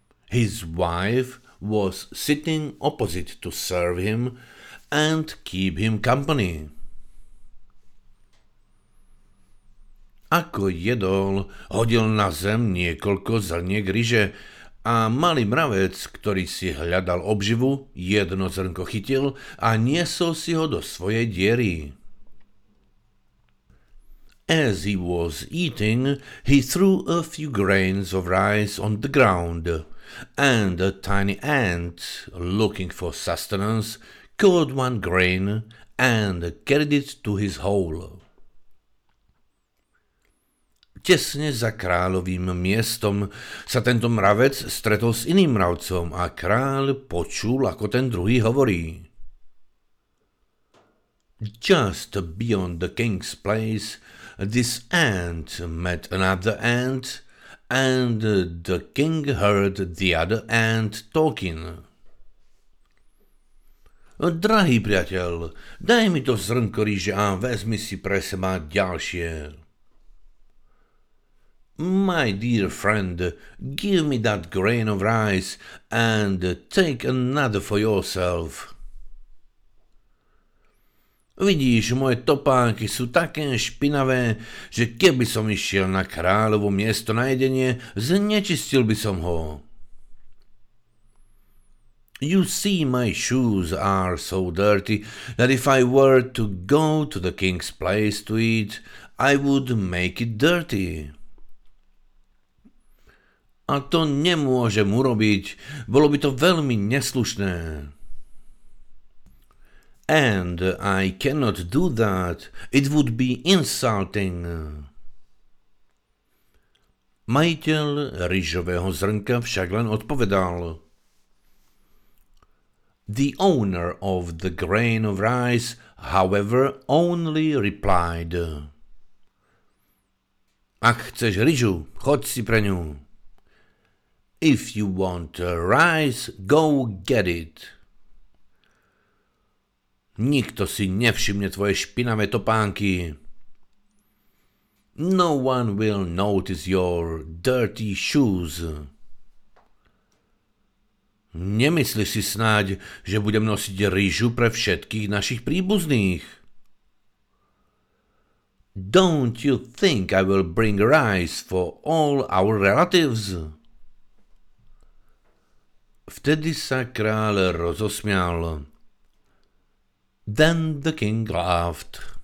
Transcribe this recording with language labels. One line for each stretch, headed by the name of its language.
English: His wife was sitting opposite to serve him and keep him company.
Slovak: Ako jedol, hodil na zem niekoľko zrniek ryže a malý mravec, ktorý si hľadal obživu, jedno zrnko chytil a niesol si ho do svojej diery.
English: As he was eating, he threw a few grains of rice on the ground, and a tiny ant, looking for sustenance, caught one grain and carried it to his hole.
Slovak: Těsně za královým městom se tento mravec stretol s iným mravcom a král počul, ako ten druhý hovorí.
English: Just beyond the king's place, this ant met another ant, and the king heard the other ant talking.
Slovak: Drahý priateľ, daj mi to zrnko rýže a vezmi si pre seba ďalšie.
English: My dear friend, give me that grain of rice and take another for yourself.
Slovak: Vidíš, moje topánky sú také špinavé, že keby som išiel na kráľovo miesto na jedenie, znečistil by som ho.
English: You see, my shoes are so dirty that if I were to go to the king's place to eat, I would make it dirty.
Slovak: A to nemôžem urobiť, bolo by to veľmi neslušné.
English: And I cannot do that, it would be insulting.
Slovak: Majiteľ ryžového zrnka však len odpovedal.
English: The owner of the grain of rice, however, only replied.
Slovak: Ak chceš ryžu, choď si pre ňu.
English: If you want rice, go get it.
Slovak: Nikto si nevšimne tvoje špinavé topánky.
English: No one will notice your dirty shoes.
Slovak: Nemyslíš si snáď, že budem nosiť rýžu pre všetkých našich príbuzných?
English: Don't you think I will bring rice for all our relatives?
Slovak: Vtedy sa kráľ rozosmial.
English: Then the king laughed.